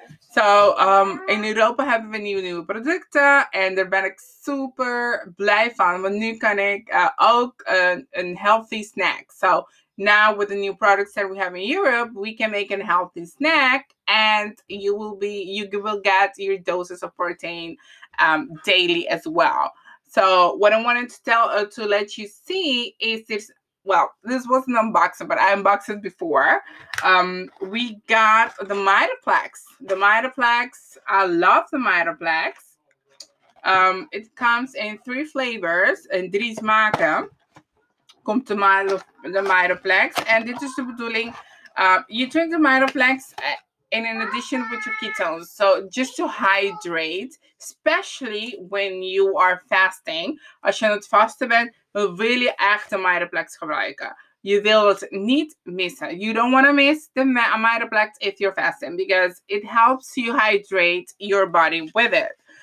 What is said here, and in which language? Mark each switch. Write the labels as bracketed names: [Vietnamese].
[Dutch] So, in Europa hebben we nieuwe producten en daar ben ik super blij van, want nu kan ik ook een healthy snack. [English] So, now with the new products that we have in Europe, we can make a healthy snack and you will get your doses of protein daily as well. So, what I wanted to let you see is this, well, this was an unboxing, but I unboxed it before. We got the Mitoplex. The Mitoplex, I love the Mitoplex. It comes in 3 flavors, [Dutch] in 3 smaken. Komt de Mitoplex. [English] And this is the bedoeling. You drink the Mitoplex in addition with your ketones. So just to hydrate, especially when you are fasting. [Dutch] Als je aan het vasten bent, wil je echt de Mitoplex gebruiken. [English] You will not miss it. You don't want to miss the Mitoplex if you're fasting because it helps you hydrate your body with it.